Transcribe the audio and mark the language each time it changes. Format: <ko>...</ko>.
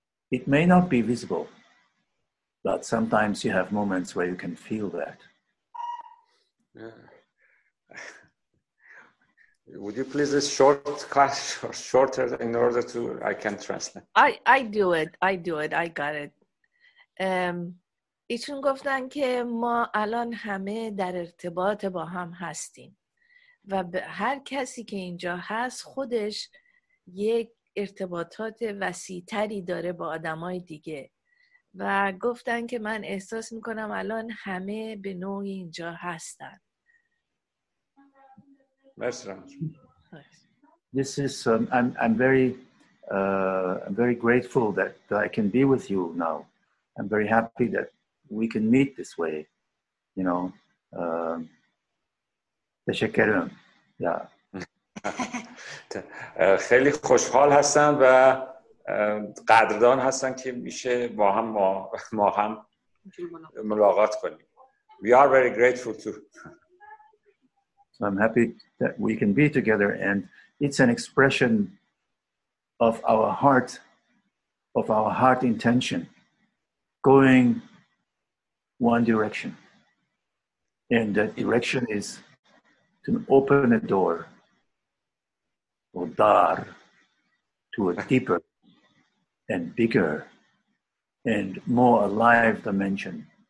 <en>It may not be visible, but sometimes you have moments where you can feel that. Yeah. Would you please a short class or shorter in order to I can translate? I do it. I got it.</en> <fa>ایشون گفتن که ما الان همه در ارتباط با هم هستیم و هر کسی که اینجا هست خودش یک ارتباطات وسیع‌تری داره با آدمای دیگه و گفتن که من احساس میکنم الان همه به نوعی اینجا هستن.</fa> <en>This is I'm very grateful that I can be with you now. I'm very happy that we can meet this way, you know.</en> <fa>تشکرم. Yeah. خیلی خوشحال هستم و قدردان هستم که میشه با هم ما هم ملاقات کنیم.</fa> <en>We are very grateful too. So I'm happy that we can be together, and it's an expression of our heart, intention, going one direction, and that direction is to open a door or dar to a deeper and bigger and more alive dimension.</en>